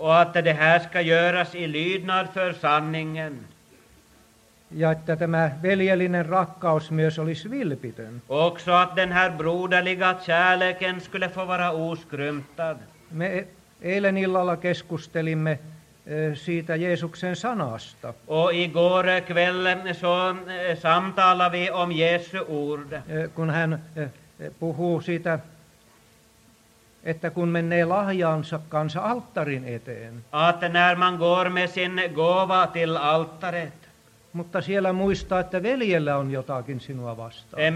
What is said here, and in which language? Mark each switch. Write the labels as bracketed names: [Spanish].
[Swedish] Och att det här ska göras i lydnad för sanningen. [Finnish] Ja että tämä veljellinen rakkaus myös olisi vilpitön. [Swedish] Också att den här broderliga kärleken skulle få vara oskrymptad. [Finnish] Me eilen illalla keskustelimme siitä Jeesuksen sanasta. [Swedish] Och igår kväll så samtalade vi om Jesu ord. [Finnish] Kun hän puhuu siitä, että kun menee lahjaansa kanssa alttarin eteen. [Swedish] Att när man går med sin gåva till altaret. [Finnish] Mutta siellä muistaa, että veljellä on jotakin sinua vastaan.